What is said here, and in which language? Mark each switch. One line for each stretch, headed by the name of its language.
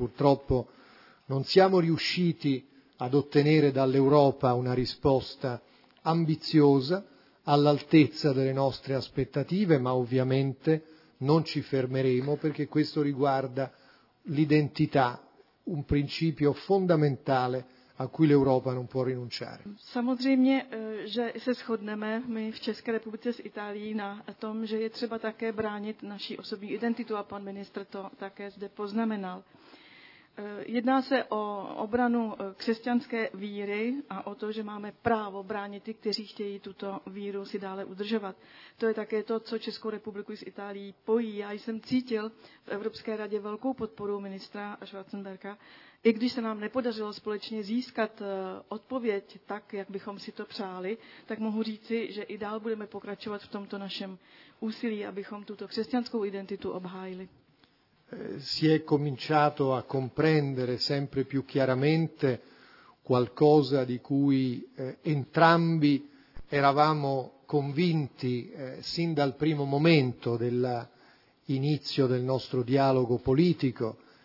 Italian: Purtroppo non siamo riusciti ad ottenere dall'Europa una risposta ambiziosa, all'altezza delle nostre aspettative, ma ovviamente non ci fermeremo, perché questo riguarda l'identità, un principio fondamentale a cui l'Europa non può rinunciare.
Czech: Samozřejmě, že se shodneme my v České republice s Itálií na tom, že je třeba také bránit naši osobní identitu, a pan ministr to také zde poznamenal. Jedná se o obranu křesťanské víry a o to, že máme právo bránit ty, kteří chtějí tuto víru si dále udržovat. To je také to, co Českou republiku s Itálií pojí. Já jsem cítil v Evropské radě velkou podporu ministra Schwarzenberga, i když se nám nepodařilo společně získat odpověď tak, jak bychom si to přáli, tak mohu říci, že i dál budeme pokračovat v tomto našem úsilí, abychom tuto křesťanskou identitu obhájili.
Italian: Si è cominciato a comprendere sempre più chiaramente qualcosa di cui entrambi eravamo convinti sin dal primo momento dell'inizio del nostro dialogo politico.